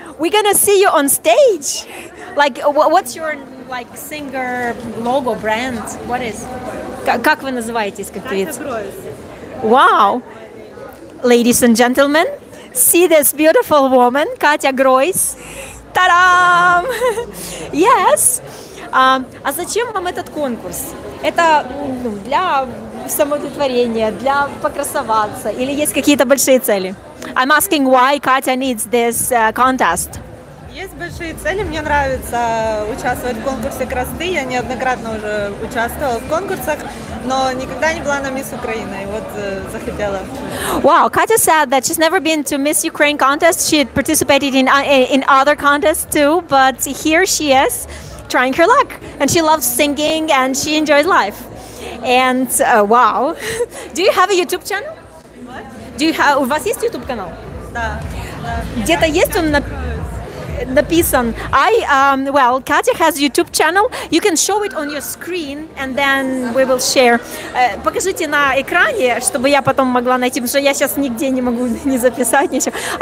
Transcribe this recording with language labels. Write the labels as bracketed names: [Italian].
[English] We're gonna see you on stage. Like, what's your like singer logo brand? What is? [Russian] Как вы называетесь, как говорится? [English] Wow, ladies and gentlemen, see this beautiful woman, Катя Гройс. Ta-da! Yes. [Russian] А зачем вам этот конкурс? Это для самоудовлетворения, для покрасоваться, или есть какие-то большие цели? [English] I'm asking why Katya needs this contest. [Russian] Есть большие цели, мне нравится участвовать в конкурсе красоты. Я неоднократно уже участвовала в конкурсах, но никогда не была на Мисс Украина, и вот захотела. [English] Wow, Katya said that she's never been to Miss Ukraine contest. She had participated in other contests too, but here she is trying her luck. And she loves singing and she enjoys life. And wow. Do you have a YouTube channel? What? [Russian] У вас есть YouTube канал? Да. Где-то есть он написан. [English] Katya has YouTube channel. You can show it on your screen and then we will share. [Russian] Покажите на экране, чтобы я потом могла найти, потому что я сейчас нигде не могу не записать ничего.